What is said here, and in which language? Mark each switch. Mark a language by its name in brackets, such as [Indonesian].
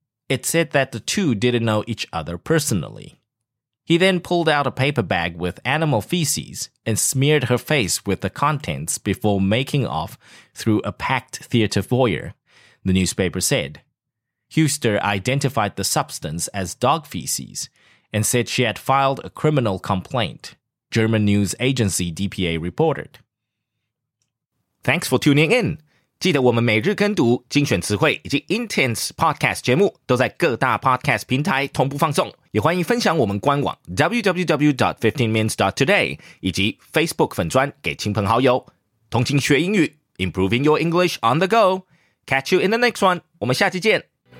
[English] It said that the two didn't know each other personally. He then pulled out a paper bag with animal feces and smeared her face with the contents before making off through a packed theater foyer, the newspaper said. Huster identified the substance as dog feces and said she had filed a criminal complaint, German news agency DPA reported. Thanks for tuning in. [Chinese] 记得我们每日跟读精选词汇以及 Intense Podcast 节目都在各大 Podcast 平台同步放送。也欢迎分享我们官网 www.15mins.today 以及 Facebook 粉专给亲朋好友。同情学英语 [English] Improving your English on the go. Catch you in the next one. [Chinese] 我们下期见。